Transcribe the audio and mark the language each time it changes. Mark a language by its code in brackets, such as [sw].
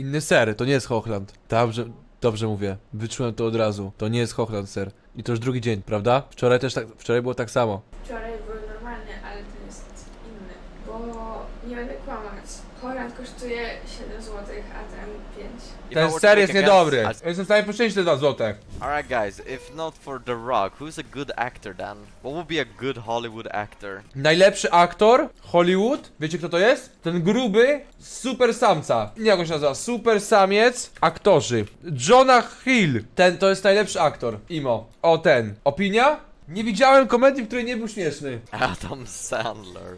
[pl] Inny ser, to nie jest Hochland. Dobrze mówię, wyczułem to od razu. To nie jest Hochland ser. I to już drugi dzień, prawda? Wczoraj też tak, wczoraj było tak samo. Wczoraj był normalny, ale ten jest inny. Bo nie będę kłamać. Hochland kosztuje 7 zł, a ten 5. Ten ser jest niedobry. Jestem w stanie poświęcić te 2 złote. [en] Alright guys, if not for The Rock, who's a good actor then? What would be a good Hollywood actor? [pl] Najlepszy aktor Hollywood? Wiecie kto to jest? Ten gruby super samca. Nie, jak on się nazywa? Super samiec aktorzy. Jonah Hill. Ten to jest najlepszy aktor. Imo. O ten. Opinia? Nie widziałem komedii, w której nie był śmieszny. Adam Sandler.